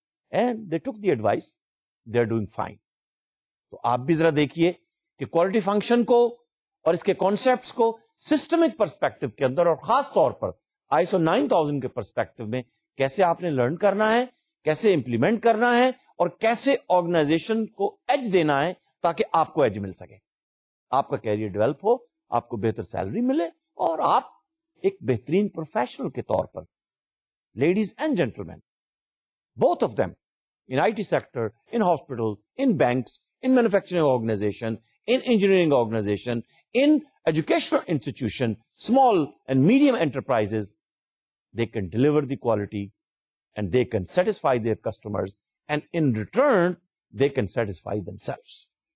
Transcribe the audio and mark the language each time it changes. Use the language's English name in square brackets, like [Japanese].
[English] And they took the advice, they are doing fine. [Urdu] تو آپ بھی ذرا دیکھیے کہ کوالٹی فنکشن کو اور اس کے کانسیپٹس کو سسٹمک پرسپیکٹو کے اندر اور خاص طور پر ISO 9000 کے پرسپیکٹو میں کیسے آپ نے لرن کرنا ہے, کیسے امپلیمنٹ کرنا ہے, اور کیسے آرگنائزیشن کو ایج دینا ہے تاکہ آپ کو ایج مل سکے, آپ کا کیریئر ڈیولپ ہو, آپ کو بہتر سیلری ملے اور آپ ایک بہترین پروفیشنل کے طور پر. [English] Ladies and gentlemen, both of them, in IT sector, in hospital, in banks, in manufacturing organization, in engineering organization, in educational institution, small and medium enterprises, they can deliver the quality and they can satisfy their customers, and in return, they can satisfy themselves.